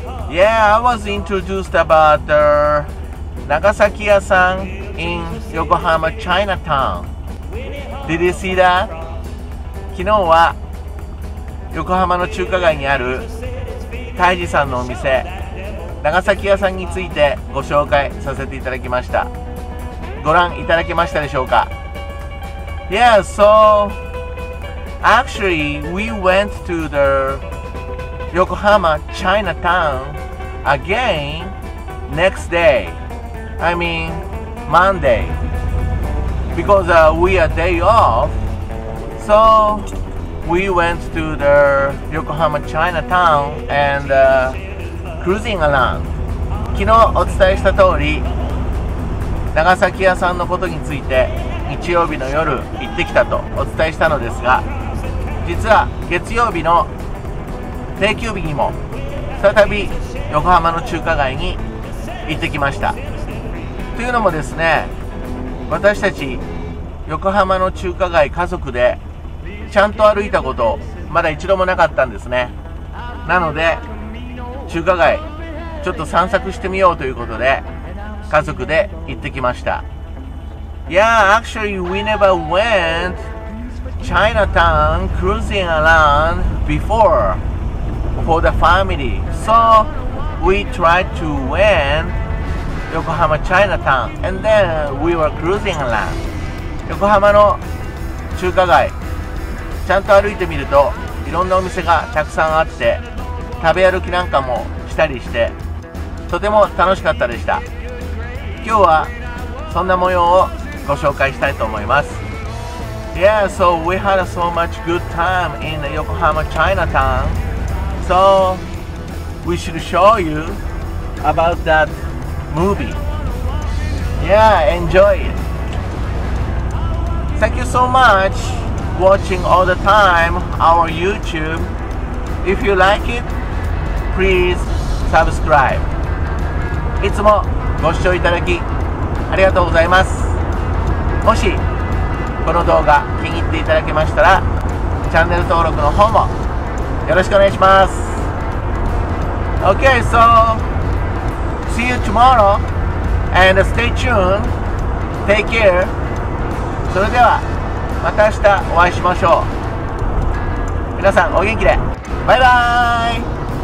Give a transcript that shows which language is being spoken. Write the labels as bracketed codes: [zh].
[en] Yeah, I was introduced about the 長崎屋さん in Yokohama Chinatown. Did you see that? [ja] 昨日は横浜の中華街にあるタイジさんのお店、長崎屋さんについてご紹介させていただきました。ご覧いただけましたでしょうか？ [en] Yeah, so actually we went to the Yokohama Chinatown again next day. I mean Monday. Because we are day off. So we went to the Yokohama Chinatown and cruising around. [ja] 昨日お伝えした通り、長崎屋さんのことについて日曜日の夜行ってきたとお伝えしたのですが、実は月曜日の定休日にも再び横浜の中華街に行ってきました。というのもですね、私たち横浜の中華街家族でちゃんと歩いたことまだ一度もなかったんですね。なので中華街ちょっと散策してみようということで家族で行ってきました。 [en] Yeah, actually we never went Chinatown cruising around before for the family. So we tried to went Yokohama Chinatown and then we were cruising around. [ja] 横浜の中華街ちゃんと歩いてみるといろんなお店がたくさんあって、食べ歩きなんかもしたりしてとても楽しかったでした。今日はそんな模様をご紹介したいと思います。 [en] Yeah, so we had so much good time in Yokohama Chinatown. So we should show you about that movie. Yeah, enjoy it. Thank you so much watching all the time our YouTube. If you like it, please subscribe. [ja] いつもご視聴いただきありがとうございます。もしこの動画気に入っていただけましたら、チャンネル登録の方もよろしくお願いします。 [en] OK, so see you tomorrow and stay tuned. Take care. [ja] それではまた明日お会いしましょう。皆さんお元気で、バイバーイ。